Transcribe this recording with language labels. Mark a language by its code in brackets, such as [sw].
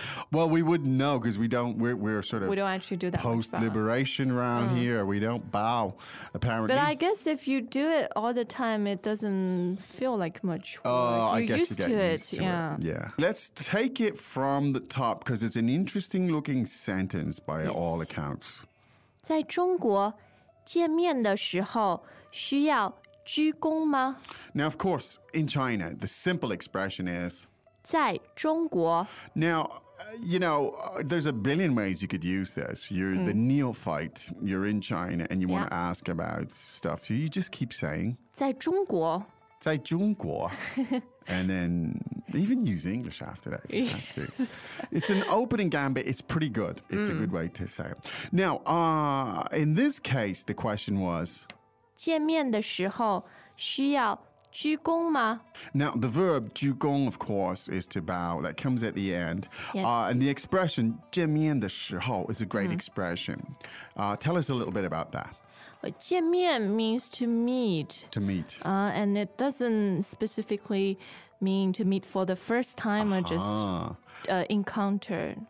[en] Well, we wouldn't know because we don't actually do that post-liberation around here. We don't bow, apparently. But I guess if you do it all the time, it doesn't feel like much work. I guess you get used to it. Yeah. Let's take it from the top because it's an interesting looking sentence by all accounts. [zh] 在中国见面的时候需要鞠躬吗? [en] Now, of course, in China, the simple expression is [zh] 在中国. [en] Now, you know, there's a billion ways you could use this. You're the neophyte, you're in China, and you want to ask about stuff. So you just keep saying [zh] 在中国. 在中国. [en] And then even use English after that if you want to. It's an opening gambit. It's pretty good. It's a good way to say it. Now, in this case, the question was [zh] 见面的时候需要鞠躬吗? [en] Now, the verb 鞠躬, of course, is to bow. That comes at the end. Yes. And the expression [zh] 见面的时候 [en] is a great expression. Tell us a little bit about that. 见面 means to meet. To meet. And it doesn't specifically mean to meet for the first time or just encounter.